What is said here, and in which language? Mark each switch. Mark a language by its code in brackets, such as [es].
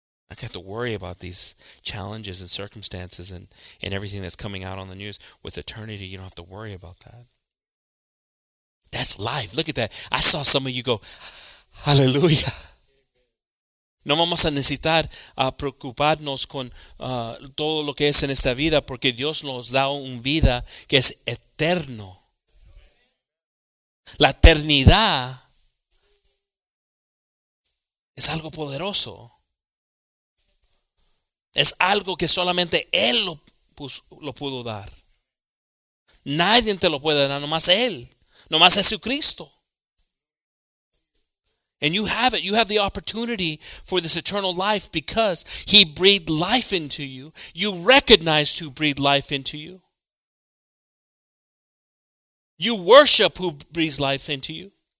[en] I don't have to worry about these challenges and circumstances and everything that's coming out on the news. With eternity, you don't have to worry about that. That's life. Look at that. I saw some of you go, hallelujah. [es] No vamos a necesitar preocuparnos con todo lo que es en esta vida porque Dios nos da un vida que es eterno. La eternidad es algo poderoso. Es algo que solamente Él lo pudo dar. Nadie te lo puede dar, nomás Él. Nomás Jesucristo. [en] And you have it. You have the opportunity for this eternal life because He breathed life into you. You recognize who breathed life into you. You worship who breathes life into you.